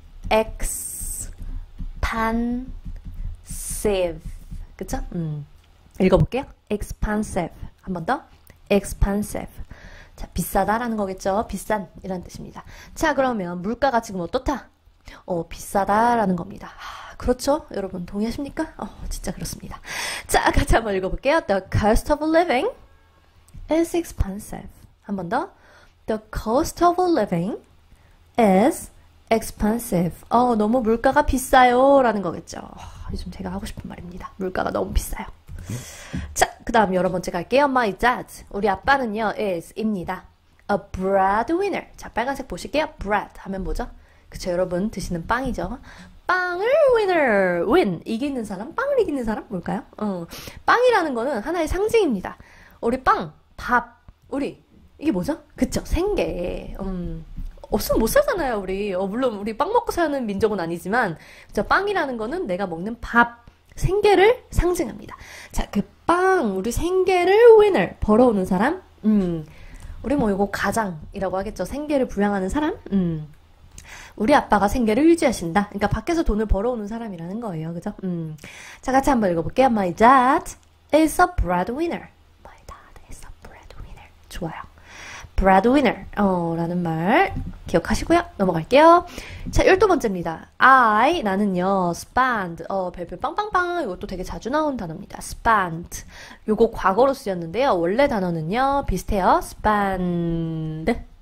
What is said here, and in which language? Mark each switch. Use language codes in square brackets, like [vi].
[ko] x, 반, save. 그쵸? 읽어볼게요. expensive. 한번 더. expensive. 자, 비싸다라는 거겠죠? 비싼, 이란 뜻입니다. 자, 그러면 물가가 지금 어떻다? 비싸다라는 겁니다. 그렇죠? 여러분, 동의하십니까? 진짜 그렇습니다. 자, 같이 한번 읽어볼게요. [en] The cost of living is expensive. [ko] 한번 더. [en] The cost of living is expensive. [ko] 너무 물가가 비싸요라는 거겠죠? 요즘 제가 하고 싶은 말입니다. 물가가 너무 비싸요. 자, 그 다음 여러 번째 갈게요. [en] My dad, [ko] 우리 아빠는요, is입니다. A breadwinner. 자, 빨간색 보실게요. bread 하면 뭐죠? 그쵸, 여러분 드시는 빵이죠. 빵을 winner, win. 이기는 사람, 빵을 이기는 사람 뭘까요? 빵이라는 거는 하나의 상징입니다. 우리 빵, 밥, 우리, 이게 뭐죠? 그쵸, 생계. 없으면 못 살잖아요, 우리. 물론 우리 빵 먹고 사는 민족은 아니지만, 그쵸, 빵이라는 거는 내가 먹는 밥. 생계를 상징합니다. 자, 그 빵, 우리 생계를 winner, 벌어오는 사람? 우리 뭐 이거 가장이라고 하겠죠. 생계를 부양하는 사람? 우리 아빠가 생계를 유지하신다. 그러니까 밖에서 돈을 벌어오는 사람이라는 거예요. 그죠? 자, 같이 한번 읽어볼게요. [en] My dad is a breadwinner. My dad is a breadwinner. [ko] 좋아요. breadwinner, 라는 말 기억하시고요. 넘어갈게요. 자, 12번째입니다. I, 나는요, spend, 별표 빵빵빵, 이것도 되게 자주 나온 단어입니다. spend. 요거 과거로 쓰였는데요. 원래 단어는요, 비슷해요. spend입니다.